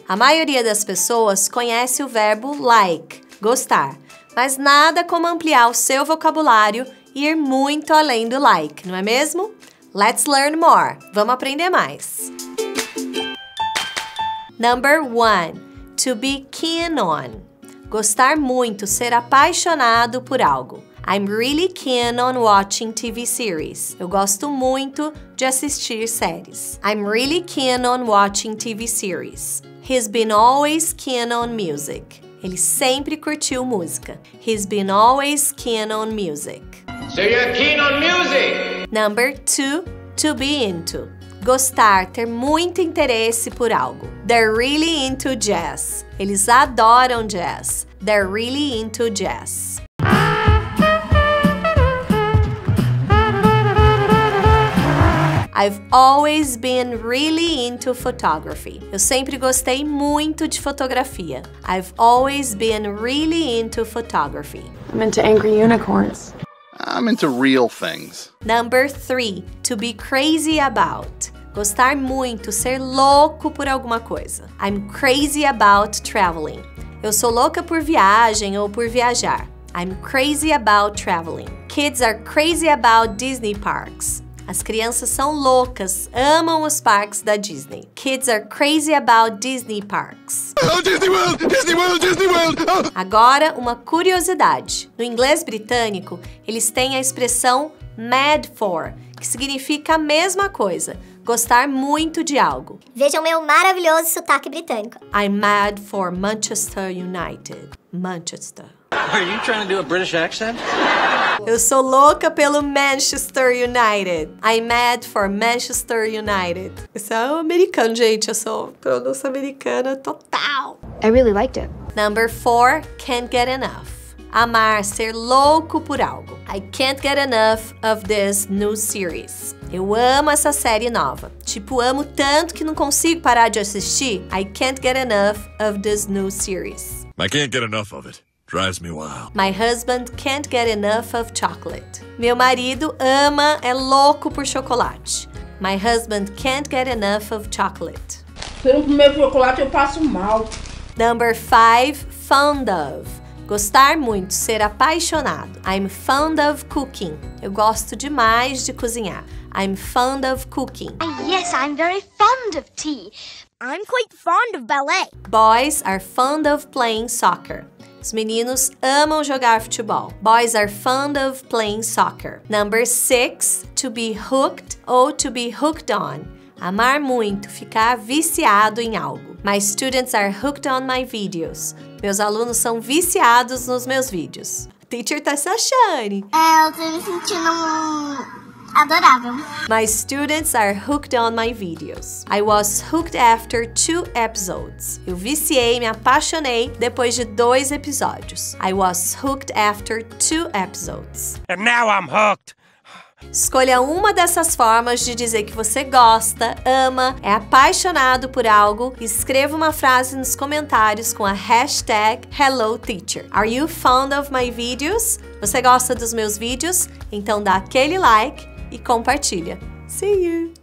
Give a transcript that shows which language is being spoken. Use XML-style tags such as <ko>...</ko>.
<pt>A maioria das pessoas conhece o verbo like, gostar, mas nada como ampliar o seu vocabulário e ir muito além do like, não é mesmo?</pt> <en>Let's learn more!</en> <pt>Vamos aprender mais!</pt> <en>Number one, to be keen on.</en> <pt>Gostar muito, ser apaixonado por algo.</pt> <en>I'm really keen on watching TV series.</en> <pt>Eu gosto muito de assistir séries.</pt> <en>I'm really keen on watching TV series. He's been always keen on music.</en> <pt>Ele sempre curtiu música.</pt> <en>He's been always keen on music. So you're keen on music! Number two, to be into.</en> <pt>Gostar, ter muito interesse por algo.</pt> <en>They're really into jazz.</en> <pt>Eles adoram jazz.</pt> <en>They're really into jazz. I've always been really into photography.</en> <pt>Eu sempre gostei muito de fotografia.</pt> <en>I've always been really into photography. I'm into angry unicorns. I'm into real things. Number three, to be crazy about.</en> <pt>Gostar muito, ser louco por alguma coisa.</pt> <en>I'm crazy about traveling.</en> <pt>Eu sou louca por viagem ou por viajar.</pt> <en>I'm crazy about traveling. Kids are crazy about Disney parks.</en> <pt>As crianças são loucas, amam os parques da Disney.</pt> <en>Kids are crazy about Disney parks. Oh, Disney World! Disney World! Disney World! Oh.</en> <pt>Agora, uma curiosidade. No inglês britânico, eles têm a expressão mad for, que significa a mesma coisa. Gostar muito de algo. Vejam meu maravilhoso sotaque britânico.</pt> <en>I'm mad for Manchester United. Manchester. Are you trying to do a British accent?</en> <pt>Eu sou louca pelo Manchester United.</pt> <en>I'm mad for Manchester United.</en> <pt>Isso é americano, gente. Eu sou pronúncia americana total.</pt> <en>I really liked it. Number four, can't get enough.</en> <pt>Amar, ser louco por algo.</pt> <en>I can't get enough of this new series.</en> <pt>Eu amo essa série nova. Tipo, amo tanto que não consigo parar de assistir.</pt> <en>I can't get enough of this new series. I can't get enough of it. Drives me wild. My husband can't get enough of chocolate.</en> <pt>Meu marido ama, é louco por chocolate.</pt> <en>My husband can't get enough of chocolate.</en> <pt>Se eu não comer chocolate, eu passo mal.</pt> <en>Number five, fond of.</en> <pt>Gostar muito, ser apaixonado.</pt> <en>I'm fond of cooking.</en> <pt>Eu gosto demais de cozinhar.</pt> <en>I'm fond of cooking. Yes, I'm very fond of tea. I'm quite fond of ballet. Boys are fond of playing soccer.</en> <pt>Os meninos amam jogar futebol.</pt> <en>Boys are fond of playing soccer. Number six, to be hooked or to be hooked on.</en> <pt>Amar muito, ficar viciado em algo.</pt> <en>My students are hooked on my videos.</en> <pt>Meus alunos são viciados nos meus vídeos. Teacher tá se achando. É, eu tô me sentindo adorável.</pt> <en>My students are hooked on my videos. I was hooked after 2 episodes.</en> <pt>Eu viciei, me apaixonei depois de 2 episódios.</pt> <en>I was hooked after 2 episodes. And now I'm hooked.</en> <pt>Escolha uma dessas formas de dizer que você gosta, ama, é apaixonado por algo e escreva uma frase nos comentários com a hashtag HelloTeacher.</pt> <en>Are you fond of my videos?</en> <pt>Você gosta dos meus vídeos? Então dá aquele like e compartilha.</pt> <en>See you!</en>